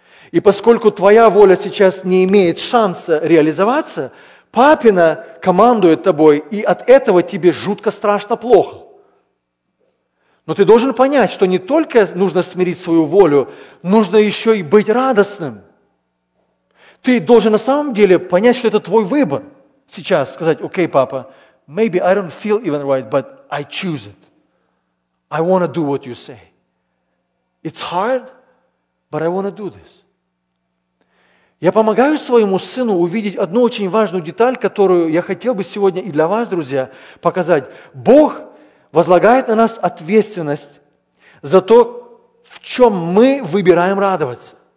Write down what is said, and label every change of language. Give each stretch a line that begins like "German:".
Russian: И поскольку твоя воля сейчас не имеет шанса реализоваться, папина командует тобой, и от этого тебе жутко страшно плохо. Но ты должен понять, что не только нужно смирить свою волю, нужно еще и быть радостным. Ты должен на самом деле понять, что это твой выбор. Сейчас сказать, окей, папа,
English: Maybe I don't feel even right, but I choose it. I want to do what you say. It's hard, but I want to do this.
Russian: Я помогаю своему сыну увидеть одну очень важную деталь, которую я хотел бы сегодня и для вас, друзья, показать. Бог возлагает на нас ответственность за то, в чем мы выбираем радоваться.